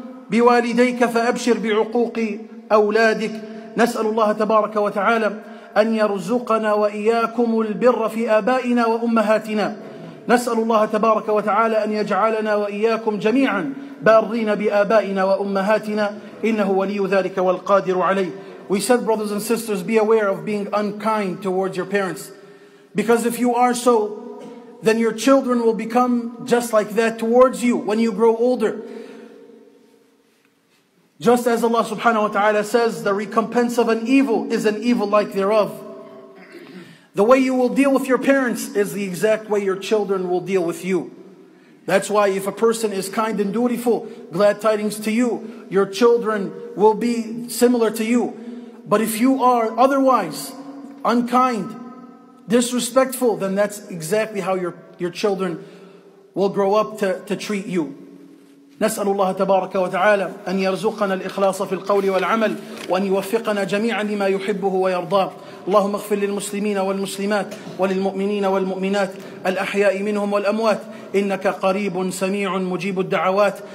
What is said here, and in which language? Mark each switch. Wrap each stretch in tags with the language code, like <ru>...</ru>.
<ar>بوالديك فأبشر بعقوق أولادك نسأل الله تبارك وتعالى أن يرزقنا وإياكم البر في آبائنا وأمهاتنا نسأل الله تبارك وتعالى أن يجعلنا وإياكم جميعا بارين بآبائنا وأمهاتنا إنه ولي ذلك والقادر عليه</ar> <en>We said brothers and sisters be aware of being unkind towards your parents because if you are so then your children will become just like that towards you when you grow older Just as Allah subhanahu wa ta'ala says, the recompense of an evil is an evil like thereof. The way you will deal with your parents is the exact way your children will deal with you. That's why if a person is kind and dutiful, glad tidings to you, your children will be similar to you. But if you are otherwise unkind, disrespectful, then that's exactly how your children will grow up to treat you.</en> <ar>نسأل الله تبارك وتعالى أن يرزقنا الإخلاص في القول والعمل وأن يوفقنا جميعا لما يحبه ويرضاه اللهم اغفر للمسلمين والمسلمات وللمؤمنين والمؤمنات الأحياء منهم والأموات إنك قريب سميع مجيب الدعوات</ar>